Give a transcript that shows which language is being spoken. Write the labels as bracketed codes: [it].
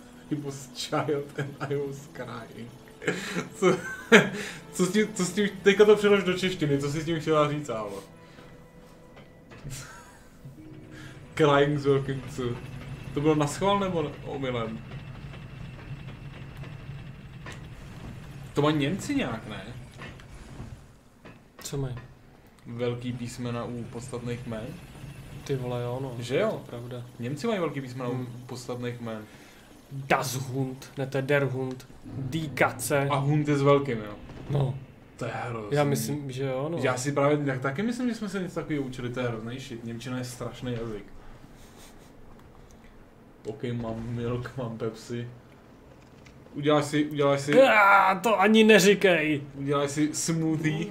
[en] He was child and I was crying. [cs] Co s tím, teďka to přelož do češtiny, co si s tím chtěla říct, Álo? Crying z velkým cu. To bylo naschvál nebo omylem? To mají Němci nějak, ne? Co mají? Velký písmena u podstatných jmen. Ty vole, jo, no. Že jo? Pravda. Němci mají velký písmena u podstatných jmen. [de] Das Hund, [cs] ne to je [de] Der Hund, Die Katze. [cs] A Hund je s velkým, jo? No. To je hrozný. Já myslím, že jo, no. Já si právě já taky myslím, že jsme se něco takového učili, to je hrozný shit. Němčina je strašný jazyk. OK, mám milk, mám Pepsi. Uděláš si... Á, to ani neříkej! Uděláš si smoothie.